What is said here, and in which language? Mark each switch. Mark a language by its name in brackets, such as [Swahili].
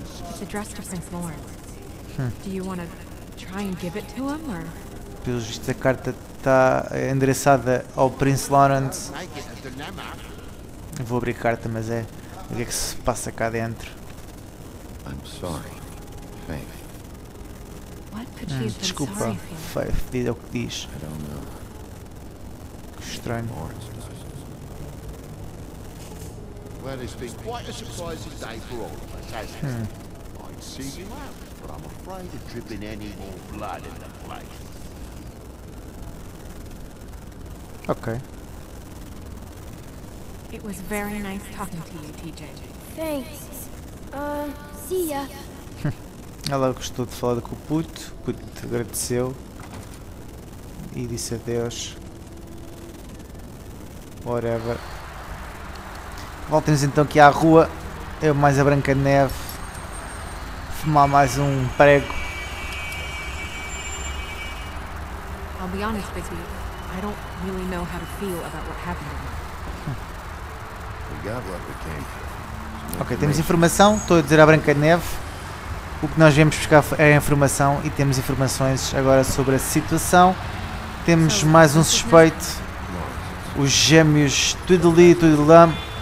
[English] It's addressed to Prince Lawrence. Do you want to try and give it to him or? [Portuguese] Pelo visto, a carta está endereçada ao Prince Lawrence. Eu vou abrir a carta, mas é. O que é que se passa cá dentro? [English] I'm sorry, Faith. [Portuguese] Desculpa, Faith, diz o que diz. [English] I don't know. [Portuguese] Que estranho. [English] Well, it's been quite a surprising day for all of us, hasn't it? I'd see you out, but I'm afraid of dripping any more blood in the place. Okay. It was very nice talking to you, TJ. Thanks. See ya. [Portuguese] Ela gostou de falar com o puto agradeceu e disse adeus. [English] Whatever. [Portuguese] Voltemos então aqui à rua. Eu mais a Branca de Neve. Fumar mais um prego. [English] I'll be honest with you. I don't really know how to feel about what happened to me. We got what we came [Portuguese] for. Ok, temos informação, estou a dizer à Branca de Neve. O que nós viemos buscar é a informação e temos informações agora sobre a situação. Temos mais um suspeito. Os gêmeos Twiddly e Twiddlum.